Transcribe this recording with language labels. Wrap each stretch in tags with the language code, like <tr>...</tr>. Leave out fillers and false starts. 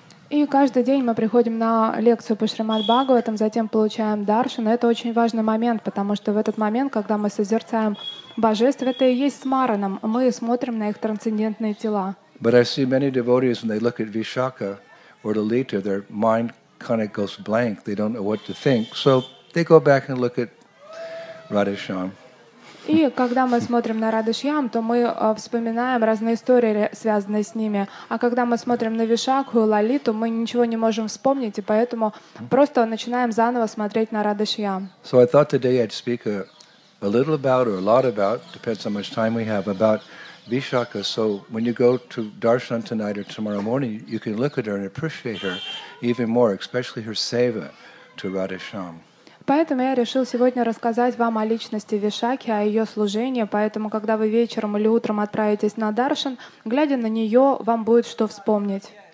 <ru>И каждый день мы приходим на лекцию по Шримад Бхагаватам, затем получаем даршан. Это очень важный момент, потому что в этот момент, когда мы созерцаем божеств, это и есть смаранам. Мы смотрим на их трансцендентные тела.</ru> <en>But I see many devotees when they look at Vishakha or Lalita, their mind kind of goes blank. They don't know what to think. So they go back and look at Radha Shyam.</en> <ru>И когда мы смотрим на Радха Шьям, то мы вспоминаем разные истории, связанные с ними. А когда мы смотрим на Вишакху и Лалиту, мы ничего не можем вспомнить, и поэтому просто начинаем заново смотреть на Радха Шьям.</ru> <en>So I thought today I'd speak a little about, or a lot about, depends how much time we have, about Vishakha. So when you go to darshan tonight or tomorrow morning, you can look at her and appreciate her even more, especially her seva to Radha Shyam.</en> <ru>Поэтому я решил сегодня рассказать вам о личности Вишакхи, о ее служении. Поэтому, когда вы вечером или утром отправитесь на даршан, глядя на нее, вам будет что вспомнить.</ru>